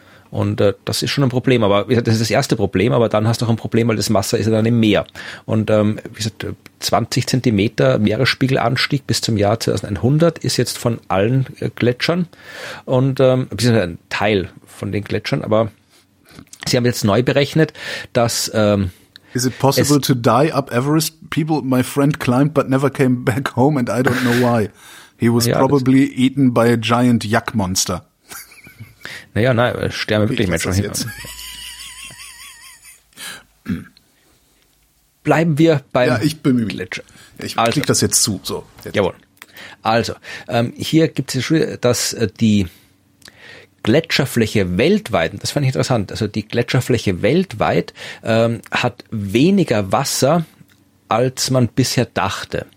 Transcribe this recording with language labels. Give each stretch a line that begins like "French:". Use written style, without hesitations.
German: Und das ist schon ein Problem. Aber wie gesagt, das ist das erste Problem. Aber dann hast du auch ein Problem, weil das Wasser ist ja dann im Meer. Und 20 Zentimeter Meeresspiegelanstieg bis zum Jahr 2100 ist jetzt von allen Gletschern. Und ein Teil von den Gletschern. Aber sie haben jetzt neu berechnet, dass...
English: Is it possible to die up Everest? People, my friend climbed but never came back home and I don't know why. He was probably eaten by a giant yak monster.
German: Naja, nein, sterben wirklich Menschen hier. Bleiben wir beim Gletscher. Ja, ich bemühe mich. Ich klicke das jetzt zu. So, jetzt. Jawohl. Also, hier gibt es, dass die Gletscherfläche weltweit, das fand ich interessant, also die Gletscherfläche weltweit hat weniger Wasser, als man bisher dachte.